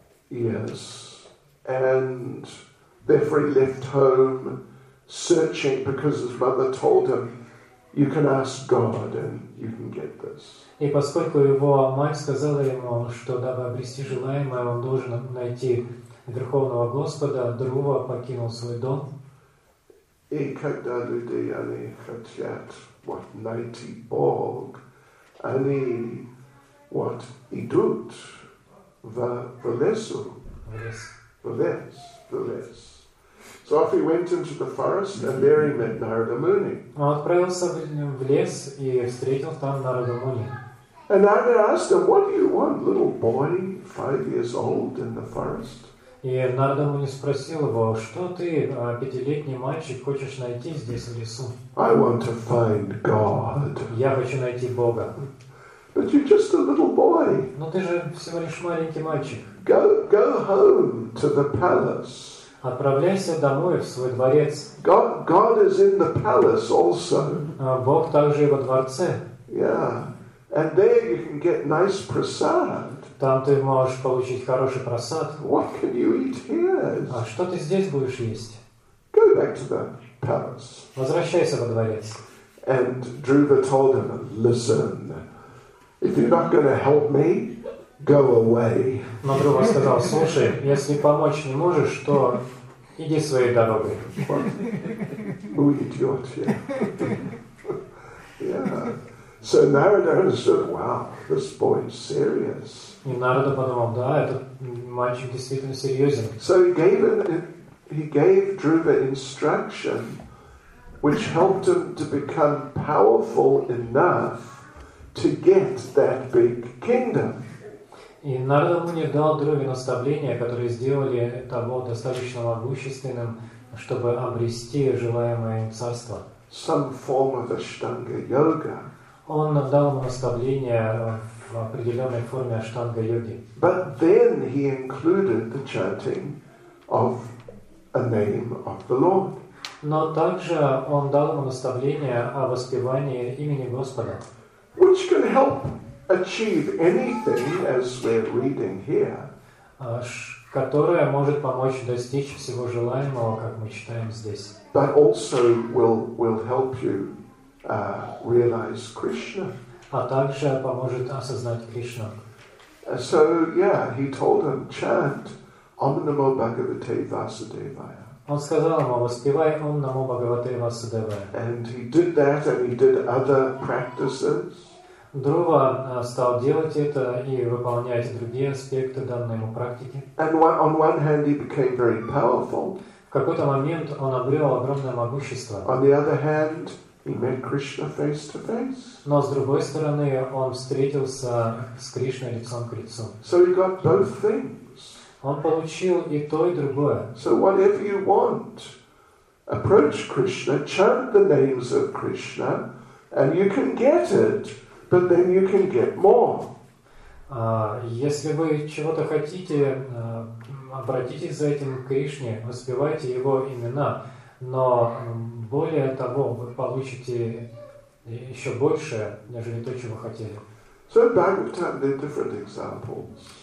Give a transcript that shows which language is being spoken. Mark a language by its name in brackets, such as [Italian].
[English] Yes, and therefore he left home searching because his mother told him, "You can ask God and you can get this." [Russian] И поскольку его мать сказала ему, что дабы обрести желаемое, он должен найти Верховного Господа, Друва покинул свой дом. И когда люди они хотят вот найти Бог, они вот идут в лесу. В лес. [English] So off he went into the forest, and there he met Narada Muni. [Russian] Он отправился в лес и встретил там Нарада Муни. [English] And Narada asked him, "What do you want, little boy, 5 years old in the forest?" [Russian] И Нарада Муни спросил его, что ты, пятилетний мальчик, хочешь найти здесь в лесу? [English] I want to find God. [Russian] Я хочу найти Бога. [English] But you're just a little boy. [Russian] Но ты же всего лишь маленький мальчик. [English] Go home to the palace. [Russian] Отправляйся домой в свой дворец. [English] God is in the palace also. [Russian] Бог также и во дворце. [English] Yeah. And there you can get nice prasad. [Russian] Там ты можешь получить хороший прасад. [English] What can you eat here? [Russian] А что ты здесь будешь есть? [English] Go back to the palace. [Russian] Возвращайся во дворец. [English] And Dhruva told him, "Listen, if you're not going to help me, go away." [Russian] Но Дрова сказал, слушай, если помочь не можешь, то иди своей дорогой. [English] Who is your chair? Yeah. So Narada said, "Wow, this boy is serious." [Russian] И Нарада подумал, да, этот мальчик действительно серьезен. [English] So he gave Dhruva instruction, which helped him to become powerful enough to get that big kingdom. [Russian] И Нарада Муни дал Друве наставления, которые сделали того достаточно могущественным, чтобы обрести желаемое им царство. [English] Some form of Ashtanga yoga. [Russian] Он дал ему наставления в определенной форме Ashtanga йоги. [English] But then he included the chanting of a name of the Lord. [Russian] Но также он дал ему наставления о воспевании имени Господа. [English] Which can help achieve anything, as we're reading here, [Russian] которая может помочь достичь всего желаемого, как мы читаем здесь. [English] But also will help you realize Krishna. [Russian] А также поможет осознать Кришну. [English] So yeah, he told him, chant Om Namo Bhagavate Vasudevaya. [Russian] Он сказал ему, воспевай Ом Намо Бхагавате Васудевая. [English] And he did that, and he did other practices. [Russian] Друва стал делать это и выполнять другие аспекты данной ему практики. [English] And on one hand he became very powerful. [Russian] В какой-то момент он обрел огромное могущество. [English] On the other hand, he met Krishna face to face. [Russian] Но с другой стороны, он встретился с Кришной лицом к лицу. [English] So he got both things. [Russian] Он получил и то, и другое. [English] So whatever you want, approach Krishna, chant the names of Krishna, and you can get it. But then you can get more. [Russian] Если вы чего-то хотите, обратитесь за этим к Кришне, воспевайте его имена, но более того, вы получите еще больше, нежели то, чего хотели. [English] So Bhagavatam did different examples.